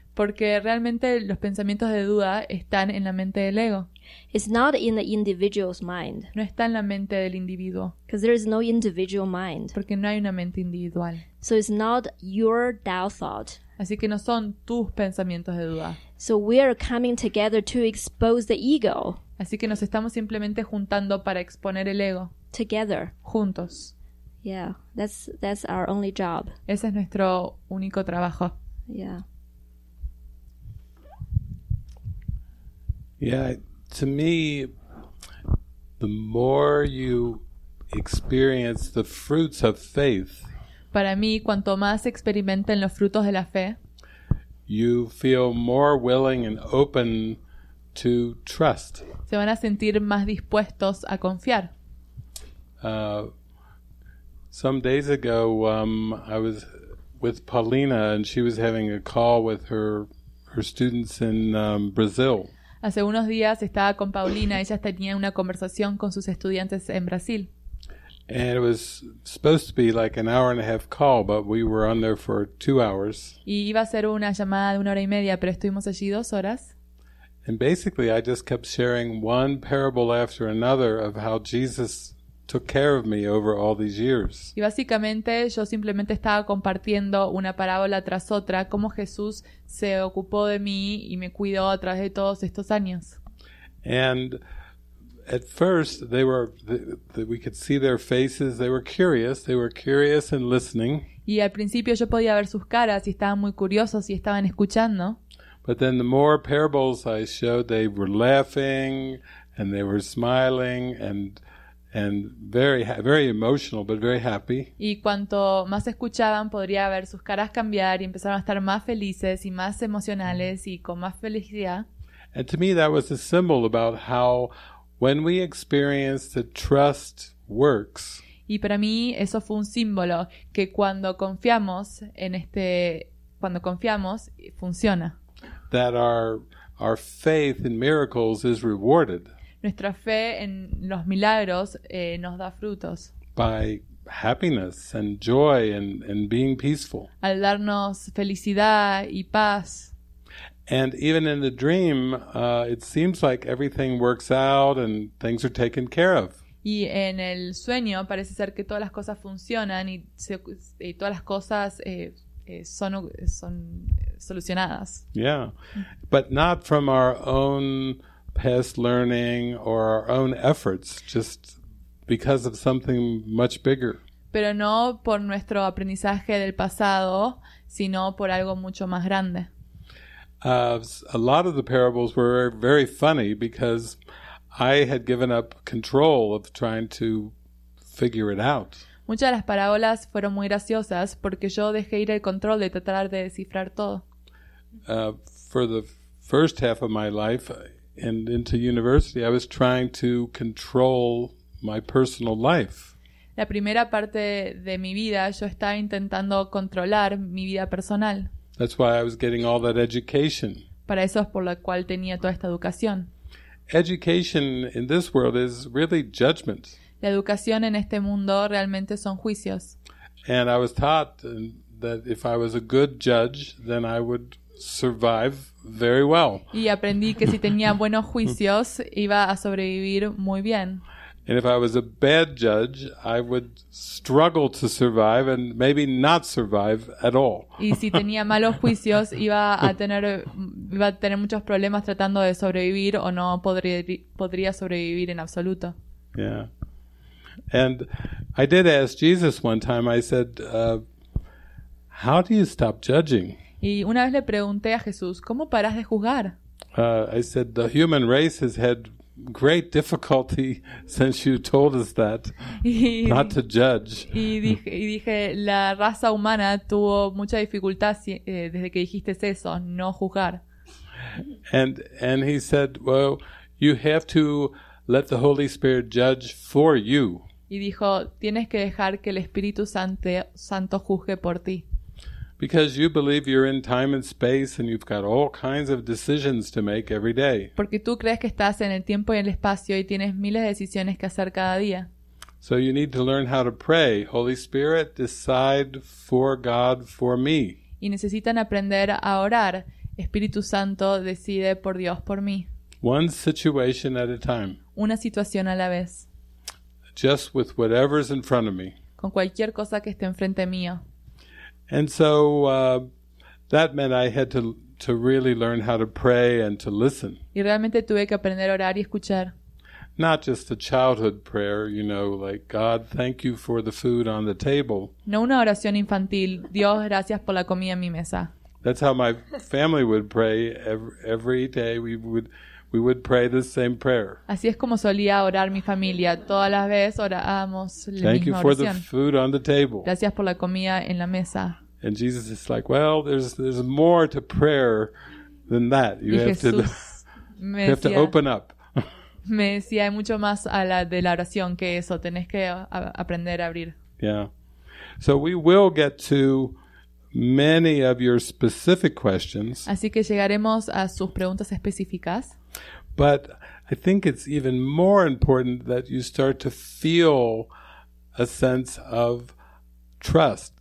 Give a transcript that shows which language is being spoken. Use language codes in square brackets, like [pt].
[es] Porque realmente los pensamientos de duda están en la mente del ego. [en] It's not in the individual's mind. [es] No está en la mente del individuo. [en] Because there is no individual mind. [es] Porque no hay una mente individual. [en] So it's not your doubt thought. [es] Así que no son tus pensamientos de duda. [en] So we are coming together to expose the ego. [es] Así que nos estamos simplemente juntando para exponer el ego. [en] Together. [es] Juntos. [en] Yeah, that's our only job. [es] Ese es nuestro único trabajo. [en] Yeah. Yeah, to me, the more you experience the fruits of faith, [es] para mí, cuanto más experimenten los frutos de la fe, [en] you feel more willing and open to trust. [es] Se van a sentir más dispuestos a confiar. [en] Some days ago, I was with Paulina, and she was having a call with her students in Brazil. [es] Hace unos días estaba con Paulina, ella tenía una conversación con sus estudiantes en Brasil. [en] And it was supposed to be like an hour and a half call, but we were on there for 2 hours. [es] Y iba a ser una llamada de una hora y media, pero estuvimos allí 2 horas. [en] And basically I just kept sharing one parable after another of how Jesus took care of me over all these years. [es] Y básicamente yo simplemente estaba compartiendo una parábola tras otra, cómo Jesús se ocupó de mí y me cuidó a través de todos estos años. [en] And at first they were we could see their faces, they were curious and listening. [es] Y al principio yo podía ver sus caras y estaban muy curiosos y estaban escuchando. [en] But then the more parables I showed, they were laughing and they were smiling and very very emotional but very happy. [es] Y cuanto más escuchaban, podría ver sus caras cambiar y empezaron a estar más felices y más emocionales y con más felicidad. [en] And to me that was a symbol about how when we experience the trust works. [es] Y para mí eso fue un símbolo que cuando confiamos en este cuando confiamos funciona. [en] That our faith in miracles is rewarded. [es] Nuestra fe en los milagros nos da frutos. [en] By happiness and joy and being peaceful. [es] Al darnos felicidad y paz. [en] And even in the dream, it seems like everything works out and things are taken care of. [es] Y en el sueño parece ser que todas las cosas funcionan y todas las cosas son solucionadas. [en] Yeah, but not from our own past learning or our own efforts, just because of something much bigger. [es] Pero no por nuestro aprendizaje del pasado, sino por algo mucho más grande. [en] A lot of the parables were very funny because I had given up control of trying to figure it out. [es] Muchas de las parábolas fueron muy graciosas porque yo dejé ir el control de tratar de descifrar todo. [en] For the first half of my life and into university, I was trying to control my personal life. [es] La primera parte de mi vida, yo estaba intentando controlar mi vida personal. [en] That's why I was getting all that education. [es] Para eso es por lo cual tenía toda esta educación. [en] Education in this world is really judgment. [es] La educación en este mundo realmente son juicios. [en] And I was taught that if I was a good judge, then I would survive very well. [es] Y aprendí que si tenía buenos juicios, iba a sobrevivir muy bien. [en] And if I was a bad judge, I would struggle to survive and maybe not survive at all. [es] Y si tenía malos juicios, iba a tener muchos problemas tratando de sobrevivir o no podría sobrevivir en absoluto. [en] Yeah. And I did ask Jesus one time, I said, how do you stop judging? [es] Y una vez le pregunté a Jesús, ¿cómo paras de juzgar? [en] I said, the human race has had great difficulty since you told us that, not to judge. [es] Y dije, la raza humana tuvo mucha dificultad desde que dijiste eso, no juzgar. [en] And he said, well, you have to let the Holy Spirit judge for you. [es] Y dijo, tienes que dejar que el Espíritu Santo juzgue por ti. [en] Because you believe you're in time and space and you've got all kinds of decisions to make every day. [es] Porque tú crees que estás en el tiempo y en el espacio y tienes miles de decisiones que hacer cada día. [en] So you need to learn how to pray. Holy Spirit, decide for God for me. [es] Y necesitan aprender a orar. Espíritu Santo, decide por Dios por mí. [en] One situation at a time. [es] Una situación a la vez. [en] Just with whatever's in front of me. [es] Con cualquier cosa que esté enfrente mío. [en] And so that meant I had to really learn how to pray and to listen. [es] Y realmente tuve que aprender a orar y escuchar. [en] Not just a childhood prayer, you know, like God, thank you for the food on the table. [es] No una oración infantil, Dios, gracias por la comida en mi mesa. [en] That's how my family would pray every day. We would pray the same prayer. [es] Así es como solía orar mi familia. Todas las veces orábamos la [en] Thank [es] misma [en] you for [es] oración. [en] The food on the table. [es] Gracias por la comida en la mesa. [en] And Jesus is like, well, there's more to prayer than that. You have to, [es] decía, [en] you have to open up. [es] Me decía, hay mucho más a la de la oración que eso. Tenés que aprender a abrir. [en] Yeah. So we will get to many of your specific questions. [es] Así que llegaremos a sus preguntas específicas. [en] But I think it's even more important that you start to feel a sense of trust.